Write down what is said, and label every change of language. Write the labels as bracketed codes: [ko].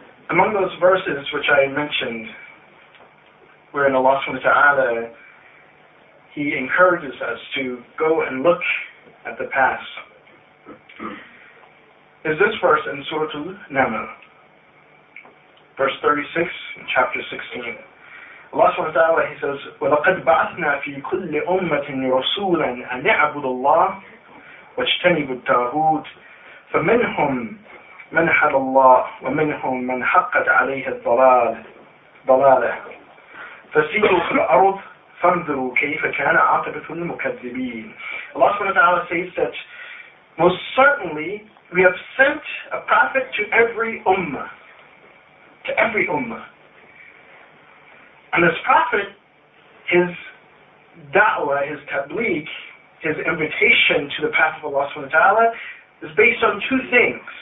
[en] Among those verses which I mentioned, wherein Allah subhanahu wa ta'ala, He encourages us to go and look at the past, is this verse in Surah Al-Naml, verse 36 in chapter 16. Allah subhanahu wa ta'ala, He says, [ar] وَلَقَدْ بَعَثْنَا فِي كُلِّ أُمَّةٍ رَسُولًا أَنِ اعْبُدُوا اللَّهَ وَاجْتَنِبُوا الطَّاغُوتَ فَمِنْهُمْ مَنْ هَدَى اللَّهُ وَمِنْهُمْ مَنْ حَقَّتْ عَلَيْهِ الضَّلَالَةُ فَسِيرُوا فِي الْأَرُضِ فَانْظُرُوا كَيْفَ كَانَ عَاقِبَةُ الْمُكَذِّبِينَ. [en] Allah subhanahu wa ta'ala says that most certainly we have sent a prophet to every ummah. To every ummah. And this prophet, his da'wah, his tabligh, his invitation to the path of Allah subhanahu wa ta'ala is based on two things.